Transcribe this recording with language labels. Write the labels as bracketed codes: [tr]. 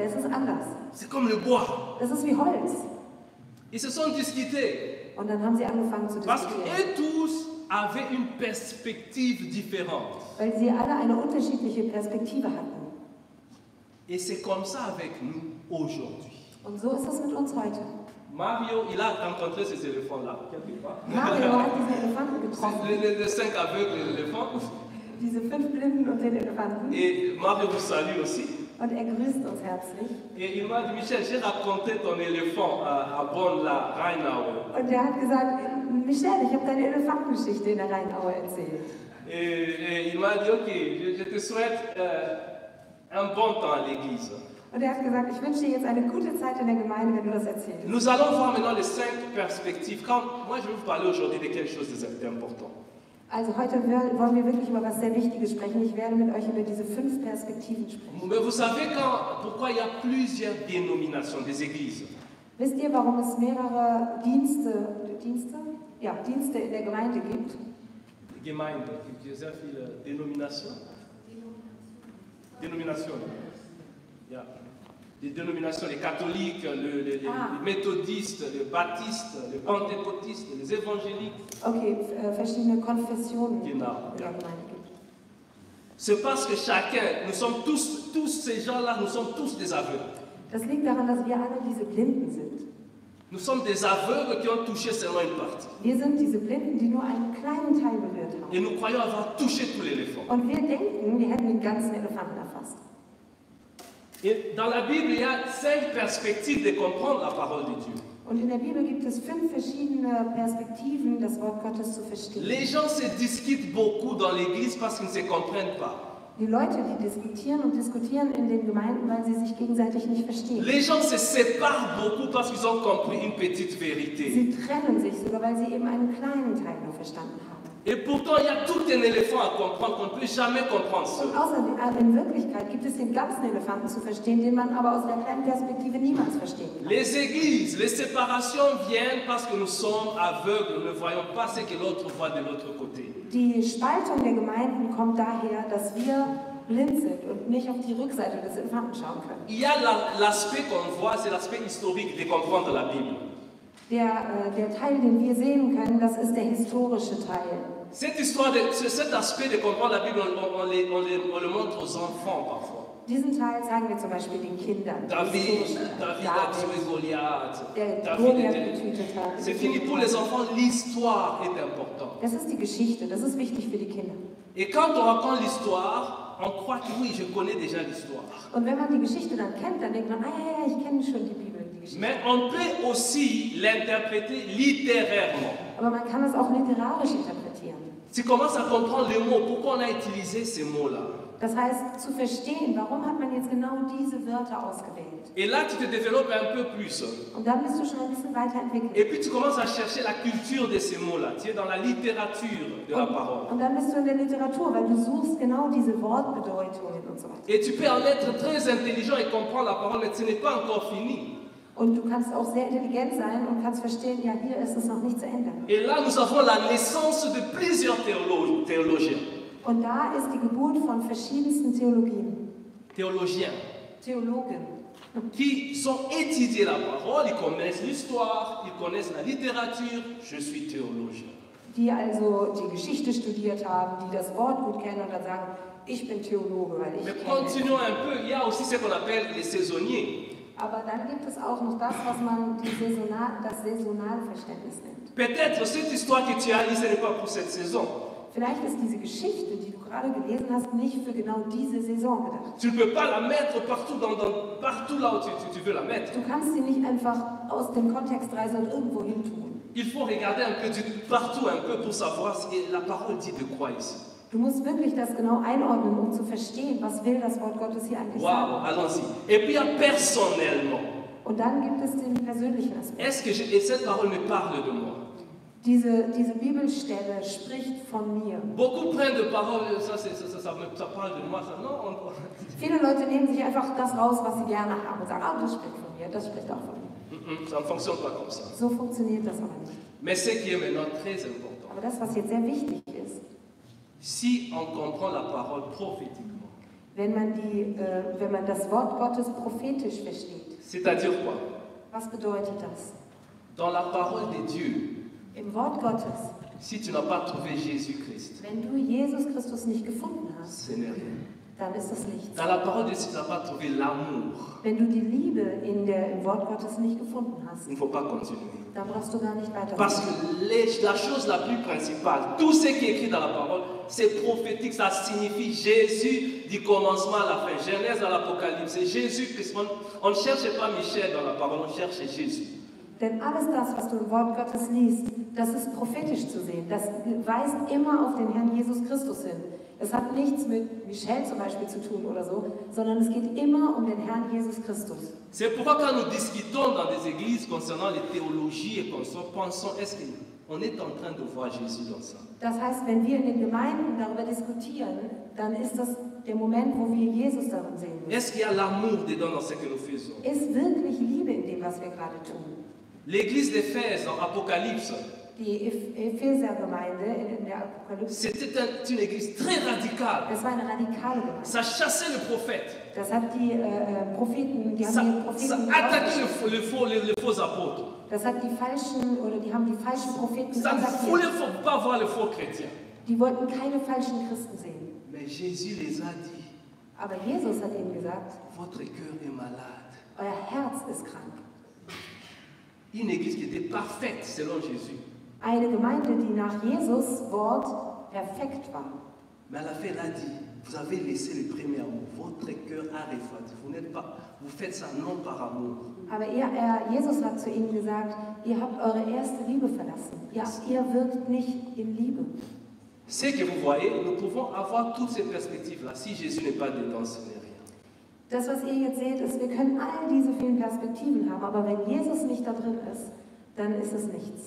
[de] Das ist anders. Das ist wie Holz. [fr] Ils se sont discutés. [de] Und dann haben sie angefangen zu diskutieren. [fr] Parce qu'ils tous avaient une perspective différente. [de] Weil sie alle eine unterschiedliche Perspektive hatten. [fr] Et c'est comme ça avec nous aujourd'hui. [de] Und so ist es mit uns heute. [fr] Mario, il a rencontré ces éléphants-là, quelque part. [de] Mario hat diesen Elefanten getroffen. [fr] Le cinq aveugles éléphants. [de] Diese fünf Blinden und den Elefanten. [fr] Et Mario vous salue aussi. [de] Und er grüßt uns herzlich. [fr] Et il m'a dit, Michel, j'ai raconté ton éléphant à Bonn-la, Rheinau. [de] Und er hat gesagt, Michel, ich habe deine Elefantengeschichte in der Rheinau erzählt. [fr] Et il m'a dit, ok, je te souhaite un bon temps à l'église. [de] Und er hat gesagt, ich wünsche dir jetzt eine gute Zeit in der Gemeinde, wenn du das erzählst. [fr] Nous allons voir maintenant les cinq perspectives. Quand, moi, je vais vous parler aujourd'hui de quelque chose d'important. [de] Also heute wollen wir wirklich über was sehr Wichtiges sprechen. Ich werde mit euch über diese fünf Perspektiven sprechen. [fr] Mais vous savez quand, pourquoi il y a plusieurs dénominations des églises? [de] Wisst ihr, warum es mehrere Dienste in der Gemeinde gibt? Die Gemeinde gibt ja sehr viele Denominationen. Ja. Die Denominationen, die Katholiken, die Methodisten, die Baptisten, die Pentekotisten, die Evangeliken. Okay, verschiedene Konfessionen. Genau. Ja. [fr] C'est parce que chacun, nous sommes tous ces gens-là, nous sommes tous des aveugles. [de] Das liegt daran, dass wir alle diese Blinden sind. [fr] Nous sommes des aveugles qui ont touché seulement une partie. [de] Wir sind diese Blinden, die nur einen kleinen Teil berührt haben. [fr] Et nous croyons avoir touché tout l'éléphant. [de] Und wir denken, wir hätten den ganzen Elefanten erfasst. [fr] Et dans la Bible, il y a cinq perspectives de comprendre la parole de Dieu. [de] Und in der Bibel gibt es fünf verschiedene Perspektiven, das Wort Gottes zu verstehen. [fr] Les gens se disputent beaucoup dans l'église parce qu'ils ne se comprennent pas. [de] Die Leute, die diskutieren und diskutieren in den Gemeinden, weil sie sich gegenseitig nicht verstehen. [fr] Les gens se séparent beaucoup parce qu'ils ont compris une petite vérité. [de] Sie trennen sich sogar, weil sie eben einen kleinen Teil nur verstanden haben. [fr] Et pourtant, il y a tout un éléphant à comprendre qu'on ne peut jamais comprendre ça. [de] Und außerdem, in Wirklichkeit gibt es den ganzen Elefanten zu verstehen, den man aber aus einer kleinen Perspektive niemals verstehen kann. [fr] Les églises, les séparations viennent parce que nous sommes aveugles, nous ne voyons pas ce que l'autre voit de l'autre côté. [de] Die Spaltung der Gemeinden kommt daher, dass wir blind sind und nicht auf die Rückseite des Elefanten schauen können. [fr] Il y a l'aspect qu'on voit, c'est l'aspect historique de comprendre la Bible. [de] Der Teil, den wir sehen können, das ist der historische Teil. [fr] Cet aspect de comprendre la Bible, on le montre aux enfants parfois. [de] Diesen Teil zeigen wir zum Beispiel den Kindern. [fr] David a tué Goliath. [de] Goliath getötet hat. [fr] Pour les enfants, l'histoire est importante. [de] Das ist die Geschichte, das ist wichtig für die Kinder. [fr] Et quand on raconte l'histoire, on croit que oui, je connais déjà l'histoire. [de] Und wenn man die Geschichte dann kennt, dann denkt man, ah ja, ich kenne schon die Bibel. [fr] Mais on peut aussi l'interpréter littérairement. [de] Aber man kann es auch literarisch interpretieren. [fr] Tu commences à comprendre les mots, pourquoi on a utilisé ces mots-là. [de] Das heißt, zu verstehen, warum hat man jetzt genau diese Wörter ausgewählt. [fr] Et là, tu te développes un peu plus. [de] Und dann bist du schon ein bisschen weiterentwickelt. [fr] Et puis tu commences à chercher la culture de ces mots-là. Tu es dans la littérature de la parole. [de] Und dann bist du in der Literatur, weil du suchst genau diese Wortbedeutungen und so weiter. [fr] Et tu peux en être très intelligent et comprendre la parole, mais ce n'est pas encore fini. [de] Und du kannst auch sehr intelligent sein und kannst verstehen, ja, hier ist es noch nicht zu Ende. [fr] Et là, nous avons la naissance de plusieurs théologiens. [de] Und da ist die Geburt von verschiedensten Theologien. [fr] Théologien. [de] Theologen. [fr] Qui sont étudiés la parole, ils connaissent l'histoire, ils connaissent la littérature. Je suis théologien. [de] Die also die Geschichte studiert haben, die das Wort gut kennen und dann sagen, ich bin Theologe, weil ich [fr] Mais continuons un peu, il y a aussi ce qu'on appelle les saisonniers. [de] Aber dann gibt es auch noch das, was man das Saisonalverständnis nennt. [fr] Peut-être cette histoire que tu as lue, ce n'est pas pour cette saison. [de] Vielleicht ist diese Geschichte, die du gerade gelesen hast, nicht für genau diese Saison gedacht. [fr] Tu ne peux pas la mettre partout partout là où tu veux la mettre. [de] Du kannst sie nicht einfach aus dem Kontext reißen und irgendwo hin tun. [fr] Il faut regarder un peu partout un peu pour savoir ce que la parole dit de quoi ici. [de] Du musst wirklich das genau einordnen, um zu verstehen, was will das Wort Gottes hier eigentlich sagen. [fr] Wow, allons-y. Et puis personnellement. [de] Und dann gibt es den persönlichen Aspekt. [fr] Est-ce que cette parole me parle de moi? [de] Diese Bibelstelle spricht von mir. [fr] Beaucoup prennent de paroles, ça parle de moi, ça, non? [de] Viele Leute nehmen sich einfach das raus, was sie gerne haben und sagen, ah, das spricht von mir, das spricht auch von mir. [fr] Ça ne fonctionne pas comme ça. [de] So funktioniert das aber nicht. [fr] Mais ce qui est maintenant très important. [de] Aber das, was jetzt sehr wichtig ist, [fr] si on comprend la parole prophétiquement, [de] wenn man das Wort Gottes prophetisch versteht, [fr] c'est-à-dire quoi? [de] Was bedeutet das? [fr] Dans la parole de Dieu, [de] im Wort Gottes, [fr] si tu n'as pas trouvé Jésus Christ, [de] wenn du Jesus Christus nicht gefunden hast, [fr] ce n'est rien. [de] Dann ist das nichts. [fr] Dans la parole de Dieu, si tu n'as pas trouvé l'amour, [de] wenn du die Liebe im Wort Gottes nicht gefunden hast, [fr] il ne faut pas continuer. [de] Dann brauchst du gar nicht weiter. [fr] Parce que la chose la plus principale, tout ce qui est écrit dans la parole, c'est prophétique, ça signifie Jésus du commencement à la fin. Genèse à l'Apocalypse, c'est Jésus Christ. On ne cherche pas Michel dans la parole, on cherche Jésus. [de] Denn alles das, was du im Wort Gottes liest, das ist prophetisch zu sehen. Das weist immer auf den Herrn Jesus Christus hin. Es hat nichts mit Michel zum Beispiel zu tun oder so, sondern es geht immer um den Herrn Jesus Christus. [fr] C'est pourquoi quand nous discutons dans des églises concernant les théologies et qu'on se pensons, est-ce qu'on est en train de voir Jésus dans ça? [de] Das heißt, wenn wir in den Gemeinden darüber diskutieren, dann ist das der Moment, wo wir Jesus darin sehen müssen. [fr] Est-ce qu'il y a l'amour dedans dans ce que nous faisons? [de] Ist wirklich Liebe in dem, was wir gerade tun? [fr] L'église d'Éphèse en Apocalypse. [de] Die Epheser-Gemeinde in der Apokalypse. [fr] C'était une église très radicale. [de] Es war eine radikale Gemeinde. [fr] Ça chassait le prophète. [de] Das hat die Propheten, die [fr] ça, [de] haben die Propheten. [fr] Ça attaquait les faux apôtres. [de] Das hat die falschen oder die haben die falschen Propheten. [fr] Ça ne voulait pas voir les faux chrétiens. [de] Die wollten keine falschen Christen sehen. [fr] Mais Jésus les a dit. [de] Aber Jesus hat ihnen gesagt. [fr] Votre cœur est malade. [de] Euer Herz ist krank. [fr] Une église qui était parfaite selon Jésus. [de] Eine Gemeinde, die nach Jesus Wort perfekt war. [fr] Mais à la fin, il a dit, vous avez laissé le premier amour. Votre cœur a refroidi. Vous n'êtes pas, vous faites ça non par amour. [de] Aber Jesus hat zu ihnen gesagt, ihr habt eure erste Liebe verlassen. Ihr wirkt nicht in Liebe. [fr] Ce que vous voyez, nous pouvons avoir toutes ces perspectives-là. Si Jésus n'est pas dedans, ce n'est rien. [de] Das, was ihr jetzt seht, ist, wir können all diese vielen Perspektiven haben, aber wenn Jesus nicht da drin ist, dann ist es nichts.